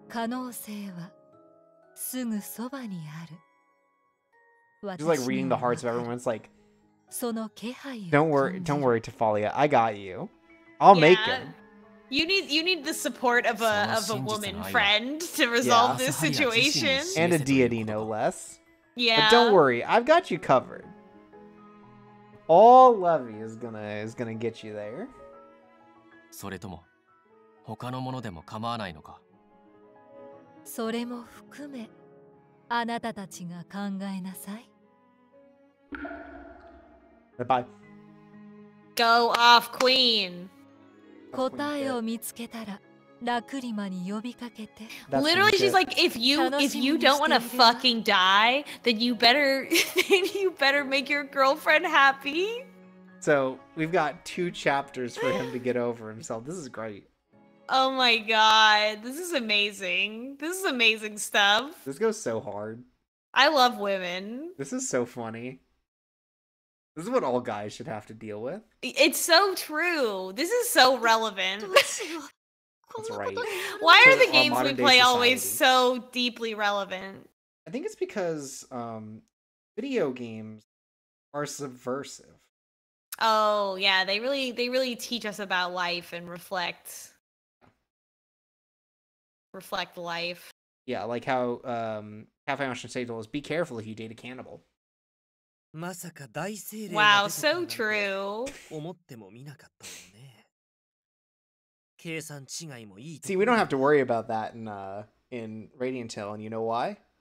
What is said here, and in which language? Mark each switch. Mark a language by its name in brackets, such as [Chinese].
[Japanese] 可能性はすぐそばにある。 [English] Just like reading the hearts of everyone, it's like, don't worry, Tifalia, I got you. I'll make him. You need the support of a woman friend to resolve this situation. And a deity, no less. Yeah. But don't worry, I've got you covered. All Levy is gonna get you there. [Japanese] それとも他のものでも構わないのか。それも含め、あなたたちが考えなさい。 [English] Bye. Go off, Queen. [Japanese] 答えを見つけたら、ラクリマに呼びかけて。 [English] Literally, she's like, if you don't want to fucking die, then you better make your girlfriend happy. So we've got two chapters for him to get over himself. This is great. Oh my god, this is amazing. This is amazing stuff. This goes so hard. I love women. This is so funny. This is what all guys should have to deal with. It's so true. This is so relevant. That's right. Why are the games we play always so deeply relevant? I think it's because video games are subversive. Oh, yeah. They really teach us about life and reflect life. Yeah, like how Cafe Ocean State told us, be careful if you date a cannibal. [Japanese] まさか大聖霊が出てくるなんて思ってもみなかったもんね。計算違いもいい。 [English] See, we don't have to worry about that in Radiant Hill, and you know why?